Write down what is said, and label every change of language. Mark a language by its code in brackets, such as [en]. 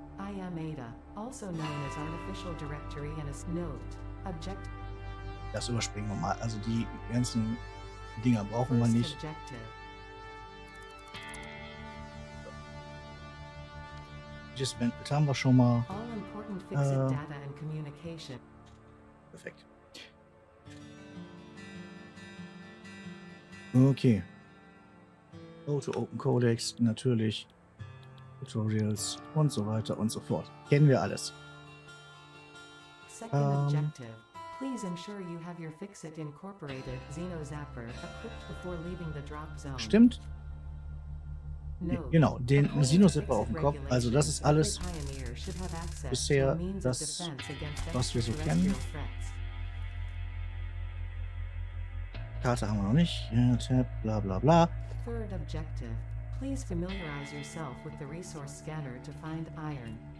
[en] I am Ada, also known as Artificial Directory and as Note, Object. [de] Das überspringen wir mal. Also die ganzen Dinger brauchen wir nicht. Objective. [en] Just been, [de] das haben wir schon mal. [en] All important fixed data and communication. [de] Perfekt. Okay. Auto Open Codex, natürlich. Tutorials und so weiter und so fort. Kennen wir alles. [en] Second objective. Please ensure you have your Fixit Incorporated Xeno Zapper equipped before leaving the drop zone. [de] Stimmt. Genau, den Xeno Zapper auf dem Kopf. Also das ist alles bisher das, was wir so kennen. Karte haben wir noch nicht. Ja, Tab, bla bla bla. [en] Third objective. Please familiarize yourself with the resource scanner to find iron.